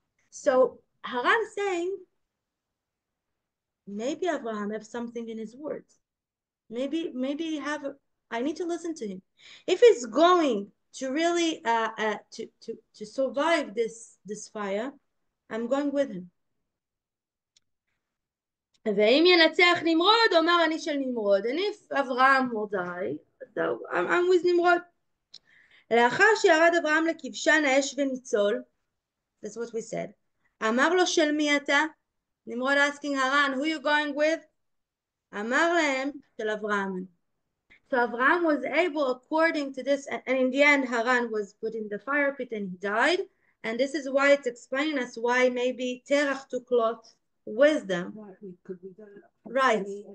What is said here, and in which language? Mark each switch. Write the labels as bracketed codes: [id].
[en] So Haran saying, maybe Avraham have something in his words. Maybe have I need to listen to him. If he's going to really to survive this fire, I'm going with him. [he] ואם ינצח נמרוד, אומר אני של נמרוד. [en] And if Avraham will die, I'm with נמרוד. [he] לאחר שירד אברהם לכבשן האש וניצול, [en] that's what we said. [he] אמר לו של מי אתה? [en] נמרוד asking Haran, who you going with? [he] אמר להם של אברהם. [en] So Avraham was able, according to this, and in the end, Haran was put in the fire pit and he died. And this is why it's explaining us why maybe Terach took Lot with them. Right.